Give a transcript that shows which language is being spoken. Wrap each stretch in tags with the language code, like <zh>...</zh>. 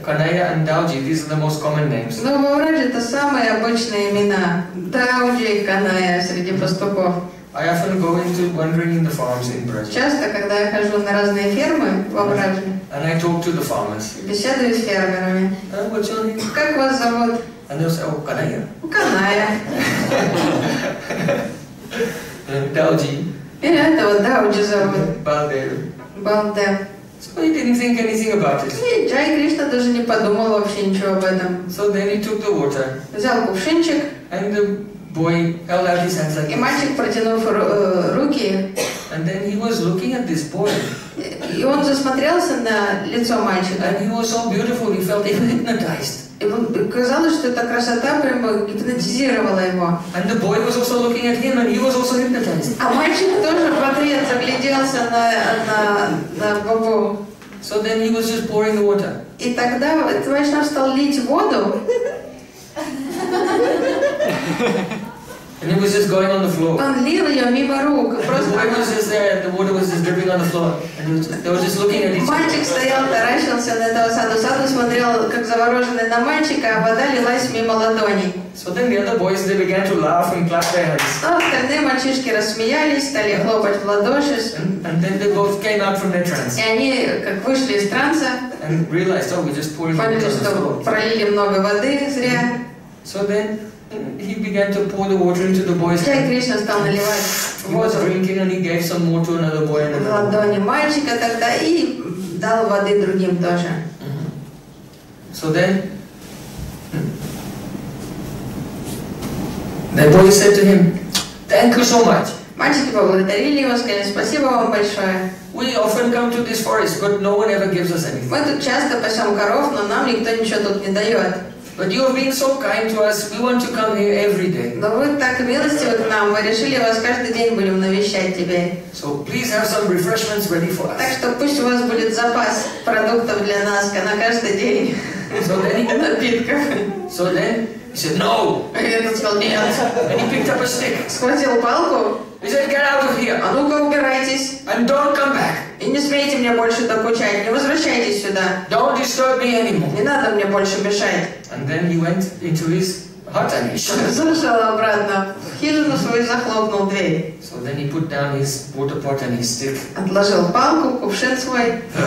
<en>Kanaya and Dauji, these are the most common names.</en> <ru>Но в Брате это самые обычные имена. Дауди и Каная среди пастухов.</ru> <en>I often go into wandering in the farms in Brats.</en> <ru>Часто, когда я хожу на разные фермы в Брате.</ru> <en>And I talk to the farmers.</en> <ru>Беседую с фермерами.</ru> <en>What's your name?</en> <ru>Как вас зовут?</ru> <en>And they'll say, oh, Kanaya. Kanaya. Dauji.</en> <ru>Меня этого Дауджи зовут. Балдев. Балдев.</ru> <en>So he didn't think anything about it.</en> <ru>И Джай Кришна даже не подумал вообще ничего об этом.</ru> <en>So then he took the water.</en> <ru>Взял кувшинчик.</ru> <en>And the boy held out his hands like</en> <ru>this. И мальчик протянул руки.</ru> <en>And then he was looking at this boy.</en> <ru>И он засмотрелся на лицо мальчика.</ru> <en>And he was so beautiful, he felt even hypnotized.</en> <ru>И казалось, что эта красота прямо гипнотизировала его.</ru> <en>And the boy was also looking at him, and he was also hypnotized.</en> <ru>А мальчик тоже в ответ загляделся на бабу.</ru> <en>So then he was just pouring the water.</en> <ru>И тогда вайшнав стал лить воду.</ru> <en>And it was just going on the floor.</en> <ru>Он лил ее мимо рук. Просто.</ru> <en>The boy was just there, the water was just dripping on the floor. And they were just looking at each other.</en> <ru>Мальчик стоял, таращился на этого саду. Саду смотрел, как завороженный на мальчика, а вода лилась мимо ладоней.</ru> <en>So then the other boys, they began to laugh and clap their hands.</en> <ru>А остальные мальчишки рассмеялись, стали хлопать в ладоши.</ru> <en>And then they both came out from their trance.</en> <ru>И они как вышли из транса.</ru> <en>And realized, oh, we just poured water on the floor.</en> <ru>Поняли, что пролили много воды зря.</ru> <en>So then he began to pour the water into the boy's</en> <ru>hand. Кришна стал наливать.</ru> <en>He was drinking and he gave some more to another boy.</en> <ru>В ладони мальчика тогда и дал воды другим тоже.</ru> <en>So then the boy said to him, "Thank you so much."</en> <ru>Мальчики поблагодарили его, сказали, "Спасибо вам большое."</ru> <en>We often come to this forest, but no one ever gives us anything.</en> <ru>Мы тут часто пасем коров, но нам никто ничего тут не дает.</ru> <en>But you have been so kind to us. We want to come here every day.</en> <ru>Но вы так милостивы к нам. Мы решили вас каждый день будем навещать тебе.</ru> <en>So please have some refreshments ready for us.</en> <ru>Так что пусть у вас будет запас продуктов для нас на каждый день.</ru> <en>So then he</en> <ru>напитков.</ru> <en>So then he said no.</en> <ru>И он сказал нет.</ru> <en>And he picked up a stick.</en> <ru>Схватил палку.</ru> <en>He said get out of here.</en> <ru>А ну-ка убирайтесь.</ru> <en>And don't come back.</en> <ru>И не смейте мне больше докучать, не возвращайтесь сюда.</ru> <en>Don't disturb me anymore.</en> <ru>Не надо мне больше мешать.</ru> <en>And then he went into his hut and</en> <ru>зашел обратно в хижину свою, захлопнул дверь.</ru> <en>So then he put down his water pot and his stick.</en> <ru>Отложил палку, кувшин свой.</ru>